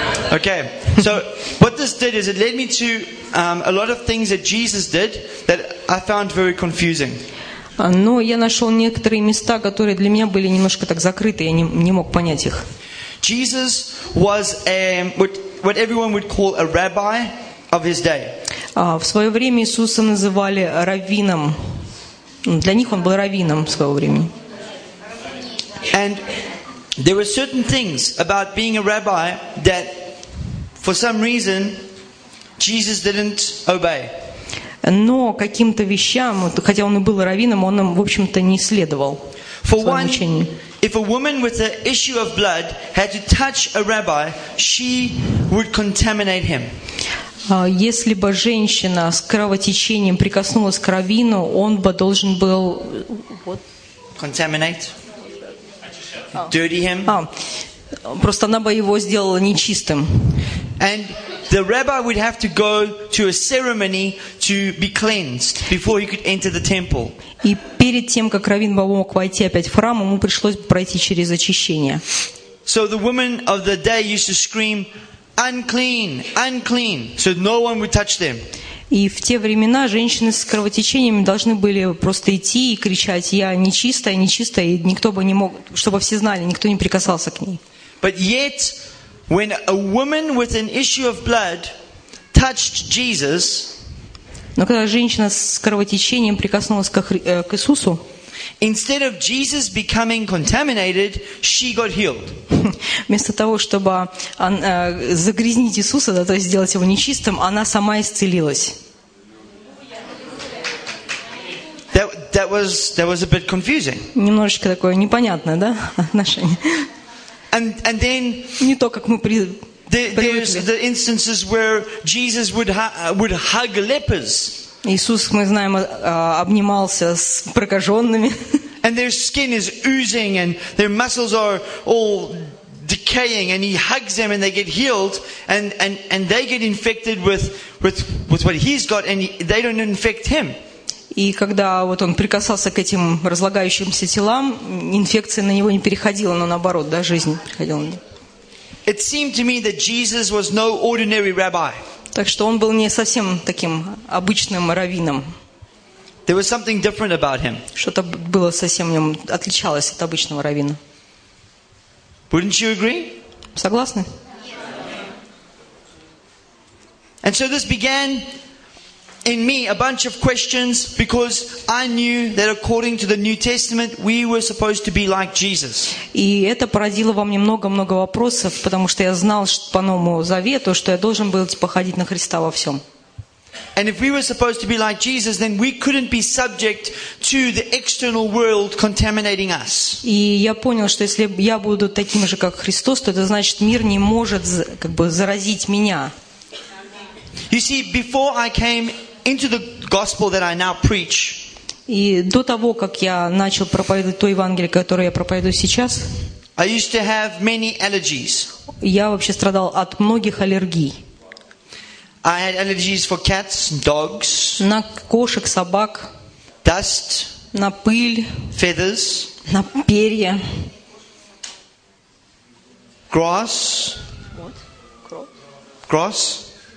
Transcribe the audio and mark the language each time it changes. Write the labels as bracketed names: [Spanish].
[English] Okay. So what this did is it led me to a lot of things that Jesus did that I found very confusing. [Russian] Но я нашел некоторые места, которые для меня были немножко так закрыты, я не мог понять их. [English] Jesus was what everyone would call a rabbi of his day. [Russian] В свое время Иисуса называли раввином. Для них он был раввином в свое время. [English] And there were certain things about being a rabbi that for some reason Jesus didn't obey. [Russian] Но каким-то вещам, хотя он и был раввином, он им, в общем-то, не следовал. [English] For one, if a woman with an issue of blood had to touch a rabbi, she would contaminate him. [Russian] Если бы женщина с кровотечением прикоснулась к раввину, он бы должен был [English] contaminate, dirty him. [Russian] Просто она бы его сделала нечистым. [English] And the rabbi would have to go to a ceremony to be cleansed before he could enter the temple. [Russian] И перед тем, как раввин бы мог войти опять в храм, ему пришлось бы пройти через очищение. [English] So the women of the day used to scream, unclean, unclean, so no one would touch them. [Russian] И в те времена женщины с кровотечениями должны были просто идти и кричать: «Я нечистая, нечистая», и никто бы не мог, чтобы все знали, никто не прикасался к ней. [English] But yet, when a woman with an issue of blood touched Jesus, [Russian] но когда женщина с кровотечением прикоснулась к Иисусу, [English] instead of Jesus becoming contaminated, she got healed. [Russian] Вместо того, чтобы загрязнить Иисуса, да, то есть сделать его нечистым, она сама исцелилась. [English] That was a bit confusing. [Russian] Немножечко такое непонятное, да, отношение. [English] And then [Russian] не то, как мы [English] there's the instances where Jesus would hug lepers. [Russian] Иисус, мы знаем, обнимался с прокаженными. [English] And their skin is oozing and their muscles are all decaying and he hugs them and they get healed and they get infected with what he's got and they don't infect him. [Russian] И когда вот он прикасался к этим разлагающимся телам, инфекция на него не переходила, но наоборот, да, жизнь приходила. [English] It seemed to me that Jesus was no ordinary rabbi. [Russian] Так что он был не совсем таким обычным раввином. [English] There was something different about him. [Russian] Что-то было совсем в нем отличалось от обычного раввина. [English] Wouldn't you agree? [Russian] Согласны? [English] And so this began in me a bunch of questions because I knew that according to the New Testament we were supposed to be like Jesus. [Russian] И это породило во мне много вопросов, потому что я знал, что по Новому Завету, что я должен был походить на Христа во всем. [English] And if we were supposed to be like Jesus, then we couldn't be subject to the external world contaminating us. [Russian] И я понял, что если я буду таким же, как Христос, то это значит, мир не может заразить меня. [English] You see, before I came into the gospel that I now preach, [Russian] и до того, как я начал проповедовать то Евангелие, которое я проповедую сейчас, [English] I used to have many allergies. [Russian] Я вообще страдал от многих аллергий. [English] I had allergies for cats, dogs, [Russian] на кошек, собак, [English] dust, [Russian] на пыль, [English] feathers, [Russian] на перья, [English] grass, what? Grass.